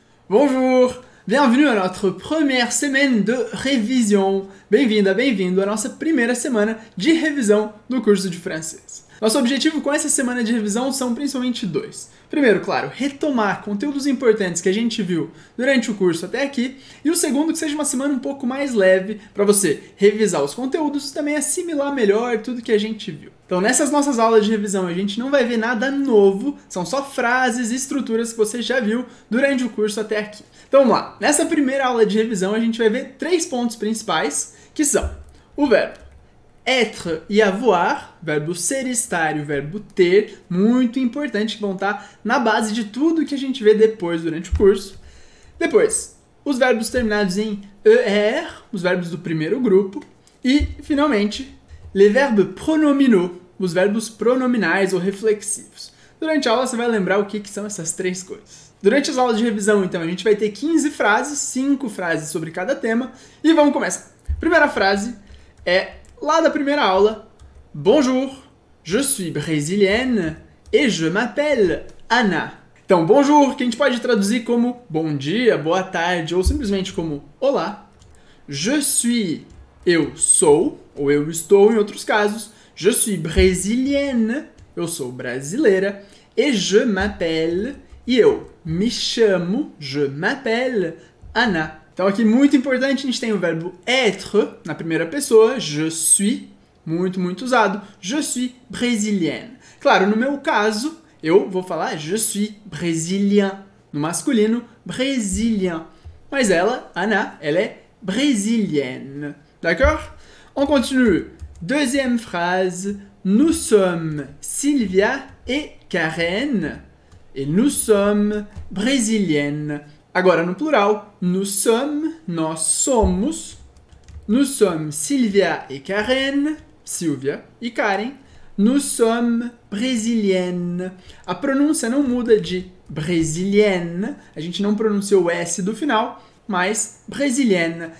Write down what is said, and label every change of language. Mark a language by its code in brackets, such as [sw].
[fr] Bonjour, bienvenue à notre première semaine de révision. [pt] Bem-vinda, bem-vindo [fr] à notre première semaine de révision du cours de français. [pt] Nosso objetivo com essa semana de revisão são principalmente dois. Primeiro, claro, retomar conteúdos importantes que a gente viu durante o curso até aqui. E o segundo, que seja uma semana um pouco mais leve para você revisar os conteúdos e também assimilar melhor tudo que a gente viu. Então, nessas nossas aulas de revisão, a gente não vai ver nada novo. São só frases e estruturas que você já viu durante o curso até aqui. Então, vamos lá. Nessa primeira aula de revisão, a gente vai ver três pontos principais, que são o verbo être e avoir, verbo ser, estar e o verbo ter, muito importante, que vão estar na base de tudo que a gente vê depois, durante o curso. Depois, os verbos terminados em er, os verbos do primeiro grupo. E, finalmente, [fr] les verbes pronominaux, [pt] os verbos pronominais ou reflexivos. Durante a aula, você vai lembrar o que, que são essas três coisas. Durante as aulas de revisão, então, a gente vai ter 15 frases, 5 frases sobre cada tema. E vamos começar. Primeira frase é lá da primeira aula. [fr] Bonjour, je suis brésilienne et je m'appelle Anna. [pt] Então, bonjour, que a gente pode traduzir como bom dia, boa tarde, ou simplesmente como olá. [fr] Je suis, [pt] eu sou, ou eu estou em outros casos. [fr] Je suis brésilienne, [pt] eu sou brasileira. [fr] Et je m'appelle, [pt] e eu me chamo, [fr] je m'appelle Anna. [pt] Então, aqui, muito importante, a gente tem o verbo être na primeira pessoa, [fr] je suis, [pt] muito, muito usado, [fr] je suis brésilienne. [pt] Claro, no meu caso, eu vou falar [fr] je suis brésilien, [pt] no masculino, brésilien. Mas ela, Anna, ela é brésilienne, [fr] d'accord? On continue. Deuxième phrase, nous sommes Sylvia et Karen, et nous sommes brésiliennes. [pt] Agora, no plural, [fr] nous sommes, [pt] nós somos, [fr] nous sommes Sylvia et Karen, [pt] Silvia e Karen, [fr] nous sommes brésiliennes. [pt] A pronúncia não muda de brésilienne, a gente não pronuncia o S do final, mas brésilienne.